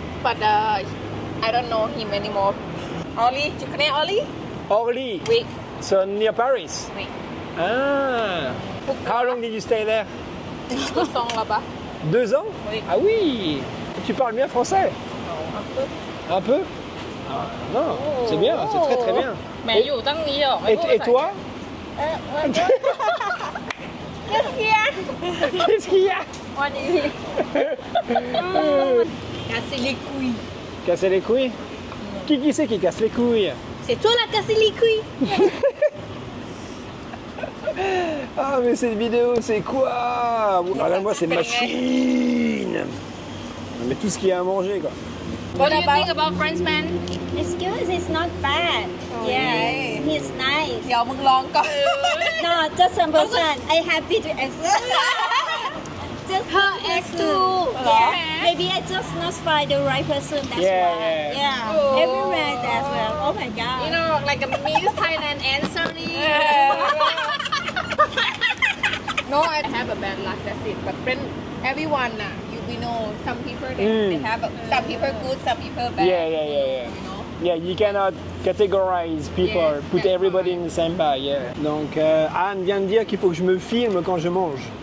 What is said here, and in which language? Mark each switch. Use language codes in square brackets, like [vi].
[en] But I don't know him anymore. [fr] Oli, tu connais Oli? Orly. Oui. [en] So near Paris. [fr] Oui. Ah. [en] How long did you stay there? [fr] 2 ans là-bas. 2 ans? Oui. Ah oui. Tu parles bien français? Non, un peu. Un peu? Non. Oh. C'est bien. C'est très très bien. Mais il y a autant de et toi? Qu'est-ce qu'il y a? Casser les couilles. Casser les couilles? Qui c'est qui casse les couilles? C'est toi la casser les couilles. Ah mais cette vidéo c'est quoi? Oh, là, moi c'est machine. Mais tout ce qu'il y a à manger quoi. [en] What do you think about French man? It's good, it's not bad. Yeah, he's nice. Yeah, [th] mong long ka. [en] No, just 1%. I happy to accept. Just her ex too. Yeah. Maybe I just not find the right person. That's why. Yeah. Oh. Everywhere that's why. Oh my god. You know, like a Miss Thailand answering. Yeah. No, I have a bad luck. That's it. But friend, everyone, we know some people. They have some people good, some people bad. Yeah. Yeah, you cannot categorize people, yes, put everybody in the same bag, yeah. [fr] Donc, Anne vient de dire qu'il faut que je me filme quand je mange.